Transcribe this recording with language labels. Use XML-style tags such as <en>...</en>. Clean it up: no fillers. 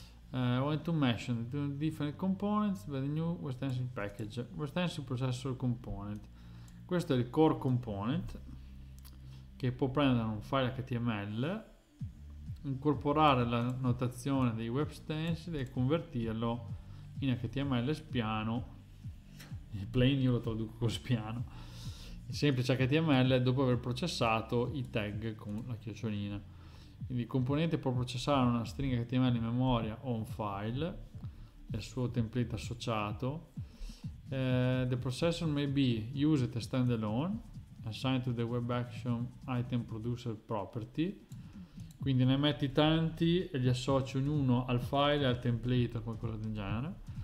<en>Went to mention the different components with the new Westensil package. Westensil processor component.</en> <it>Questo è il core component che può prendere un file HTML, incorporare la notazione dei web stencil e convertirlo in HTML spiano. Il plain io lo traduco spiano. Il semplice HTML dopo aver processato i tag con la chiocciolina. Quindi il componente può processare una stringa HTML in memoria o un file e il suo template associato.</it> <en>The processor may be used standalone, assigned to the web action item producer property.</en> <it>Quindi ne metti tanti e li associ ognuno al file, al template o qualcosa del genere.</it>